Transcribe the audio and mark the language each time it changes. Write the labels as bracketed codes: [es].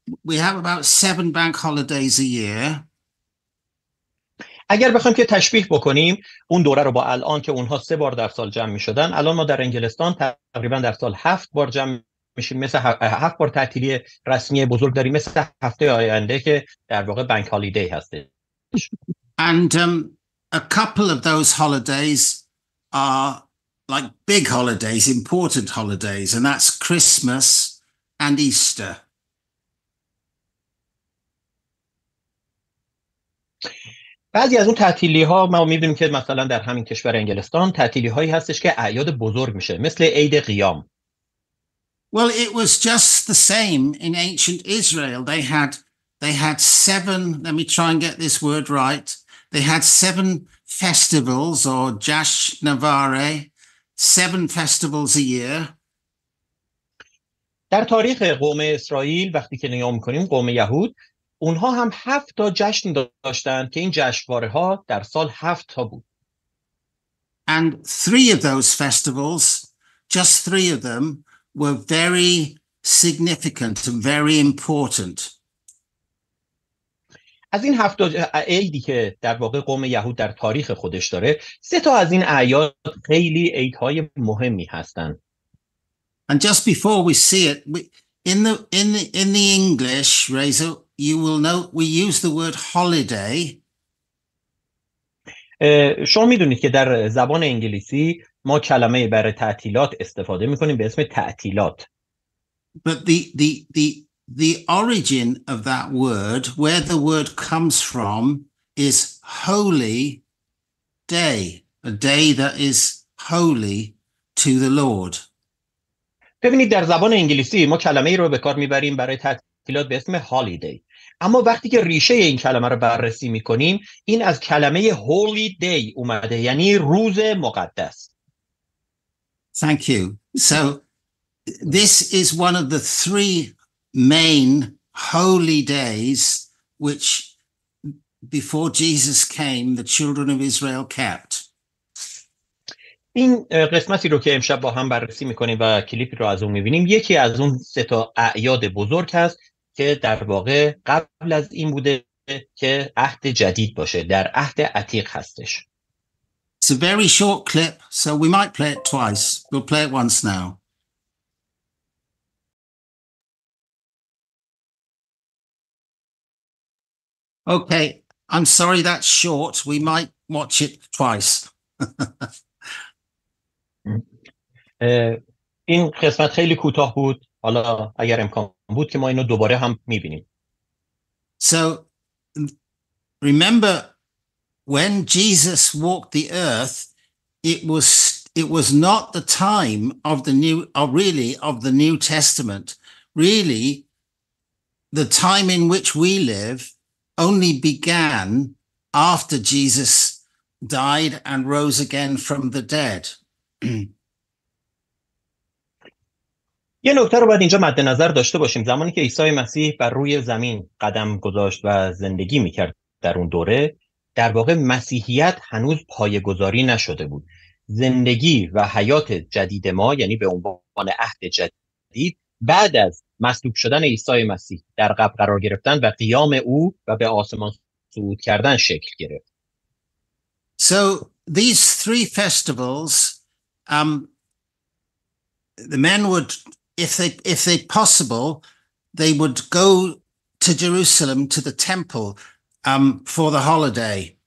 [en] We have about seven bank holidays a year. [fa] اگر بخوایم که تشبیه بکنیم اون دوره رو با الان که اونها سه بار در سال جمع می‌شدن الان ما در انگلستان تقریبا در سال هفت بار جمع میشیم، مثل هفت بار تعطیلی رسمی بزرگ داریم، مثل هفته آینده که در واقع بانک هالیدی هست. [en] And a couple of those holidays are like big holidays, important holidays, and that's Christmas and Easter. [fa] بعضی از اون تعطیلی‌ها ما می‌دونیم که مثلا در همین کشور انگلستان تعطیلی‌هایی هستش که اعیاد بزرگ میشه، مثل عید قیام. [en] Well, it was just the same in ancient Israel. They had seven, let me try and get this word right. They had seven festivals or jashnavare. Seven festivals a year. [fa] در تاریخ قوم اسرائیل وقتی که نگاه می‌کنیم قوم یهود اونها هم هفت تا جشن داشتن که این جشنواره‌ها در سال هفت تا بود. [en] And three of those festivals, just three of them, were very significant and very important. [fa] از این هفت عیدی که در واقع قوم یهود در تاریخ خودش داره، سه تا از این اعیاد خیلی عیدهای مهمی هستن. [en] And just before we see it, in the English, Razor, you will know we use the word holiday. [fa] شما میدونید که در زبان انگلیسی ما کلمه برای تعطیلات استفاده میکنیم به اسم تعطیلات. [en] But the origin of that word, where the word comes from, is holy day, a day that is holy to the Lord. [fa] ببینید در زبان انگلیسی ما کلمه ای رو به کار میبریم برای تعطیلات به اسم holiday. اما وقتی که ریشه این کلمه رو بررسی میکنیم این از کلمه holy day اومده، یعنی روز مقدس. [en] Thank you. So this is one of the three main holy days which before Jesus came the children of Israel kept. [fa] این قسمتی رو که امشب با هم بررسی میکنیم و کلیپی رو از اون میبینیم یکی از اون سه تا اعیاد بزرگ هست که در واقع قبل از این بوده که عهد جدید باشه، در عهد عتیق هستش. [en] It's a very short clip, so we might play it twice. We'll play it once now. Okay, I'm sorry that's short. We might watch it twice. [fa] این قسمت خیلی کوتاه بود. حالا اگر امکان بود که ما اینو دوباره هم می‌بینیم. [en] So remember when Jesus walked the earth, it was not the time of the new, or really of the New Testament. Really, the time in which we live only began after Jesus died and rose again from the dead. [fa] یه نکته رو باید اینجا مد نظر داشته باشیم. زمانی که عیسی مسیح بر روی زمین قدم گذاشت و زندگی میکرد در اون دوره، در واقع مسیحیت هنوز پایه‌گذاری نشده بود. زندگی و حیات جدید ما، یعنی به عنوان عهد جدید، بعد از مصلوب شدن عیسی مسیح، در قبر قرار گرفتن و قیام او و به آسمان صعود کردن شکل گرفت. [en] So these three festivals, the men would, if they possible, they would go to Jerusalem to the temple for the holiday.